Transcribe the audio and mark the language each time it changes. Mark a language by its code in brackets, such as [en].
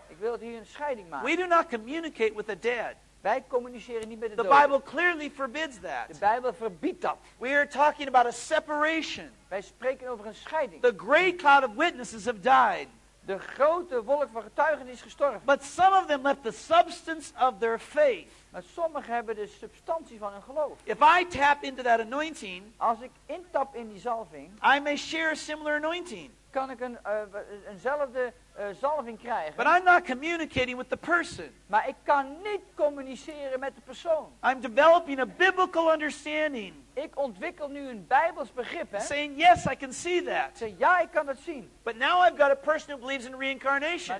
[nl] Ik wil dat u hier een scheiding maakt. [en] We do not communicate with the dead. [nl] Wij communiceren niet met de doden. [en] The Bible clearly forbids that. [nl] De Bijbel verbiedt dat. [en] We are talking about a separation. [nl] Wij spreken over een scheiding. [en] The great cloud of witnesses have died. [nl] De grote wolk van getuigen is gestorven. [en] But some of them left the substance of their faith. [nl] Maar sommigen hebben de substantie van hun geloof. [en] If I tap into that anointing, [nl] als ik intap in die zalving, [en] I may share a similar anointing. [nl] Kan ik eenzelfde zalving krijgen. [en] But I'm not communicating with the person. [nl] Maar ik kan niet communiceren met de persoon. [en] I'm developing a biblical understanding. [nl] Ik ontwikkel nu een Bijbels begrip, hè? [en] Saying yes, I can see that. [nl] Ja, ik kan dat zien. [en] But now I've got a person who believes in reincarnation.